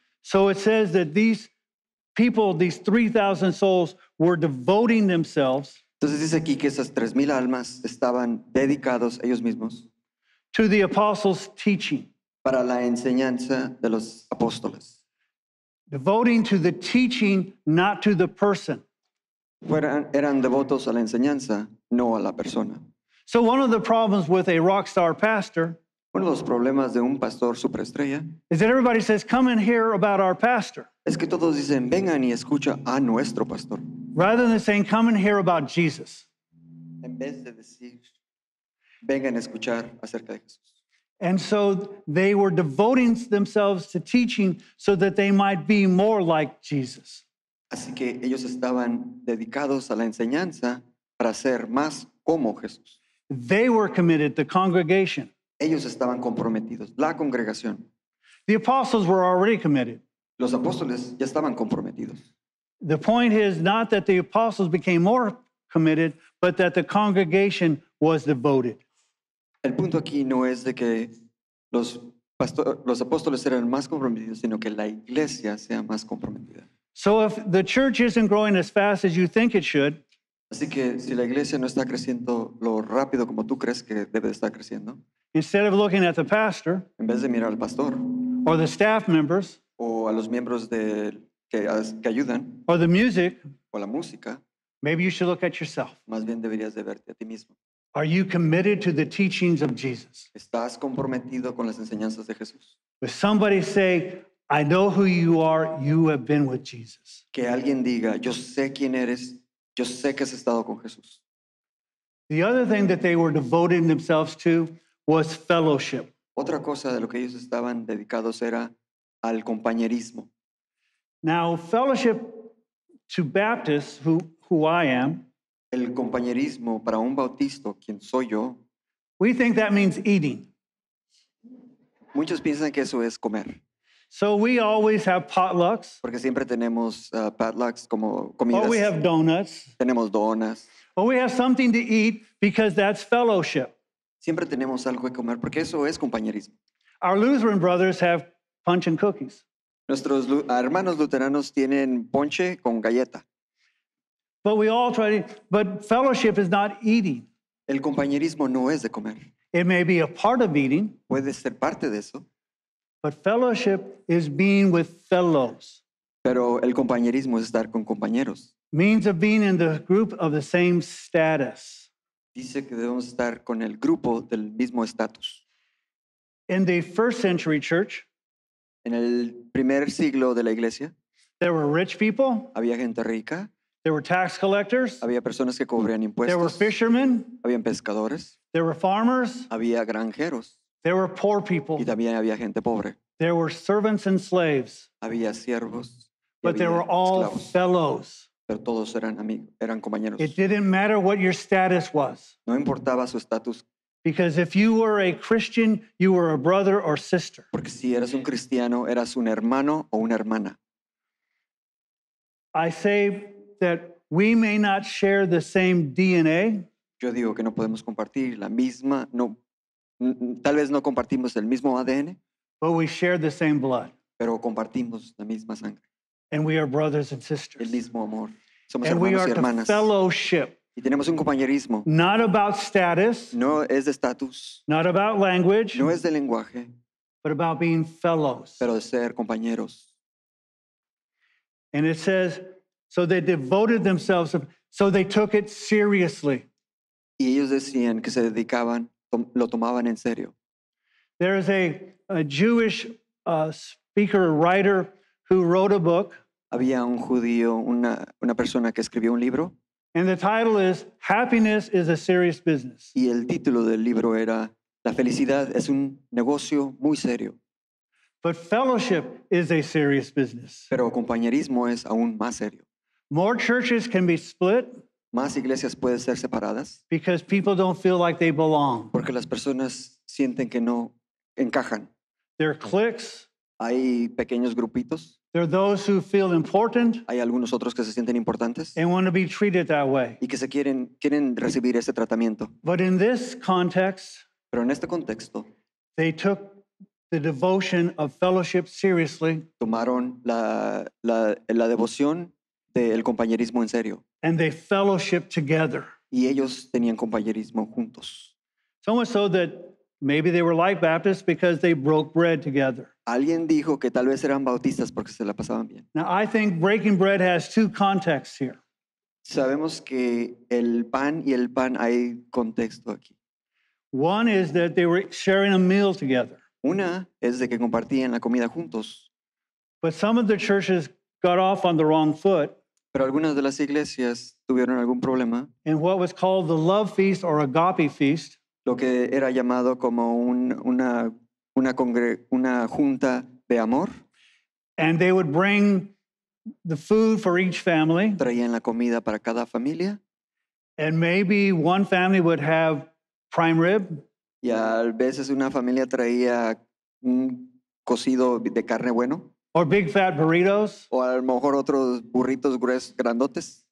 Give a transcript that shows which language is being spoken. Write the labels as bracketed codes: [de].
[en] So it says that these people, these 3,000 souls, were devoting themselves. [es] Entonces dice aquí que esas 3,000 almas estaban dedicados ellos mismos. [en] To the apostles' teaching. [es] Para la enseñanza de los apóstoles. [en] Devoting to the teaching, not to the person. [es] Eran devotos a la enseñanza, no a la persona. [en] So one of the problems with a rock star pastor. [es] Uno de los problemas de un pastor superestrella [en] is that everybody says, come and hear about our pastor. [es] Es que todos dicen, vengan y escucha a nuestro pastor. [en] Rather than saying, come and hear about Jesus. [es] En vez de decir, vengan a escuchar acerca de Jesús. [en] And so they were devoting themselves to teaching so that they might be more like Jesus. [es] Así que ellos estaban dedicados a la enseñanza para ser más como Jesús. [en] They were committed, the congregation. [es] Ellos estaban comprometidos, la congregación. [en] The apostles were already committed. [es] Los apóstoles ya estaban comprometidos. [en] The point is not that the apostles became more committed, but that the congregation was devoted. [es] El punto aquí no es de que los apóstoles eran más comprometidos, sino que la iglesia sea más comprometida. [en] So if the church isn't growing as fast as you think it should, [es] así que si la iglesia no está creciendo lo rápido como tú crees que debe de estar creciendo, [en] instead of looking at the pastor, [es] en vez de mirar al pastor, [en] or the staff members, [es] o a los miembros de, que ayudan, [en] or the music, [es] o la música, [en] maybe you should look at yourself. [es] Más bien deberías de verte a ti mismo. [en] Are you committed to the teachings of Jesus? [es] ¿Estás comprometido con las enseñanzas de Jesús? [en] If somebody say, I know who you are, you have been with Jesus. [es] Que alguien diga, yo sé quién eres, yo sé que has estado con Jesús. [en] The other thing that they were devoting themselves to was fellowship. [es] Otra cosa de lo que ellos estaban dedicados era al compañerismo. [en] Now, fellowship to Baptists, who I am, [es] el compañerismo para un bautista, quien soy yo, [en] we think that means eating. [es] Muchos piensan que eso es comer. [en] So we always have potlucks. [es] Porque siempre tenemos potlucks como comidas. [en] Or we have donuts. [es] Tenemos donas. [en] Or we have something to eat because that's fellowship. [es] Siempre tenemos algo que comer porque eso es compañerismo. [en] Our Lutheran brothers have punch and cookies. [es] Nuestros hermanos luteranos tienen ponche con galleta. [en] But we all try to, but fellowship is not eating. [es] El compañerismo no es de comer. [en] It may be a part of eating. [es] Puede ser parte de eso. [en] But fellowship is being with fellows. [es] Pero el compañerismo es estar con compañeros. [en] Means of being in the group of the same status. [es] Dice que debemos estar con el grupo del mismo estatus. [en] In the first century church, [es] en el primer siglo de la iglesia, [en] there were rich people. [es] Había gente rica. [en] There were tax collectors. [es] Había personas que cobrían impuestos. [en] There were fishermen. [es] Habían pescadores. [en] There were farmers. [es] Había granjeros. [en] There were poor people. [es] Y también había gente pobre. [en] There were servants and slaves. [es] Había siervos. [en] But there were all fellows. [es] Pero todos eran amigos, eran compañeros. [en] It didn't matter what your status was. [es] No importaba su estatus. [en] Because if you were a Christian, you were a brother or sister. [es] Porque si eras un cristiano, eras un hermano o una hermana. [en] I say that we may not share the same DNA. [es] Yo digo que no podemos compartir la misma, no, tal vez no compartimos el mismo ADN. [en] But we share the same blood. [es] Pero compartimos la misma sangre. [en] And we are brothers and sisters. [es] El mismo amor. Somos and hermanos we are y hermanas. The fellowship. Y tenemos un compañerismo. [en] Not about status. [es] No es de estatus. [en] Not about language. [es] No es de lenguaje. [en] But about being fellows. [es] Pero de ser compañeros. [en] And it says, so they devoted themselves, so they took it seriously. [es] Y ellos decían que se dedicaban, lo tomaban en serio. [en] There is a Jewish speaker, writer, who wrote a book. [es] Había un judío, una persona que escribió un libro. [en] And the title is Happiness is a Serious Business. [es] Y el título del libro era La felicidad es un negocio muy serio. [en] But fellowship is a serious business. [es] Pero compañerismo es aún más serio. [en] More churches can be split. [es] Más iglesias pueden ser separadas. [en] Because people don't feel like they belong. [es] Porque las personas sienten que no encajan. [en] There are cliques. [es] Hay pequeños grupitos. [en] There are those who feel important. [es] Hay algunos otros que se sienten importantes. [en] And want to be treated that way. [es] Y que se quieren recibir ese tratamiento. [en] But in this context, [es] pero en este contexto, [en] they took the devotion of fellowship seriously. [es] Tomaron la devoción del compañerismo en serio. [en] And they fellowship together. [es] Y ellos tenían compañerismo juntos. [en] So much so that maybe they were like Baptists because they broke bread together. [es] Alguien dijo que tal vez eran bautistas porque se la pasaban bien. [en] Now I think breaking bread has two contexts here. [es] Sabemos que el pan y el pan hay contexto aquí. [en] One is that they were sharing a meal together. [es] Una es de que compartían la comida juntos. [en] But some of the churches got off on the wrong foot. [es] Pero algunas de las iglesias tuvieron algún problema. [en] In what was called the love feast or agape feast. [es] Lo que era llamado como una junta de amor. [en] And they would bring the food for each family. [es] Traían la comida para cada familia. [en] And maybe one family would have prime rib. [es] Y a veces una familia traía un cocido de carne bueno. [en] Or big fat burritos. [es] O a lo mejor otros burritos gruesos grandotes.